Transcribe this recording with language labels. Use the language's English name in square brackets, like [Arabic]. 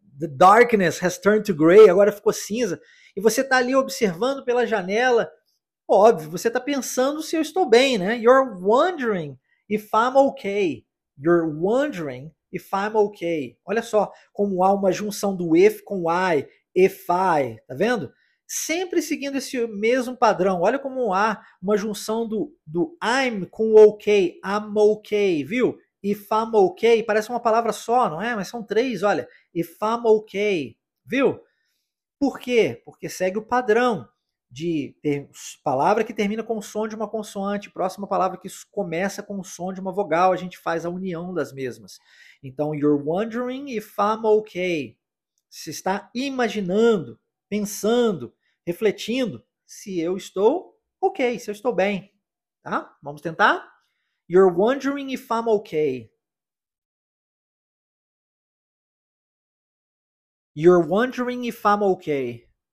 [English] The darkness has turned to gray, [Portuguese] agora ficou cinza. E você está ali observando pela janela. Óbvio, você está pensando se eu estou bem, né? [English] You're wondering if I'm okay. You're wondering if I'm okay. [Portuguese] Olha só como há uma junção do if com I, [English] if I, [Portuguese] tá vendo? Sempre seguindo esse mesmo padrão. Olha como há uma junção do I'm com okay, [English] I'm okay, [Portuguese] viu? [English] If I'm okay, [Portuguese] parece uma palavra só, não é? Mas são três, olha. [English] If I'm okay, [Portuguese] viu? Por quê? Porque segue o padrão de ter palavra que termina com o som de uma consoante, próxima palavra que começa com o som de uma vogal, a gente faz a união das mesmas. Então, [English] you're wondering if I'm okay. [Portuguese] Você está imaginando, pensando, refletindo se eu estou ok, se eu estou bem. Tá? Vamos tentar? [English] You're wondering if I'm okay. You're wondering if I'm okay.